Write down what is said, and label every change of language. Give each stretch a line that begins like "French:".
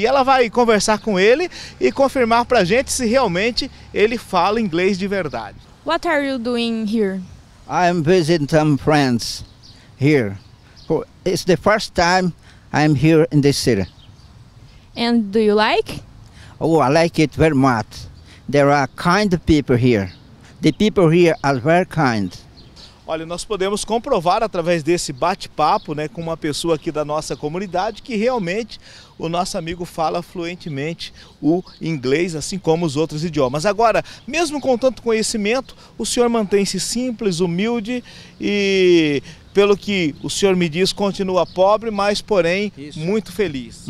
Portuguese: E ela vai conversar com ele e confirmar para a gente se realmente ele fala inglês de verdade.
English: What are you doing here? I'm visiting some friends here. It's the first time I'm here in this city. And do you like? Oh, I like it very much. There are kind people here. The people here are very kind.
Portuguese: Olha, nós podemos comprovar através desse bate-papo, né, com uma pessoa aqui da nossa comunidade que realmente o nosso amigo fala fluentemente o inglês, assim como os outros idiomas. Agora, mesmo com tanto conhecimento, o senhor mantém-se simples, humilde e, pelo que o senhor me diz, continua pobre, mas, porém, isso, muito feliz.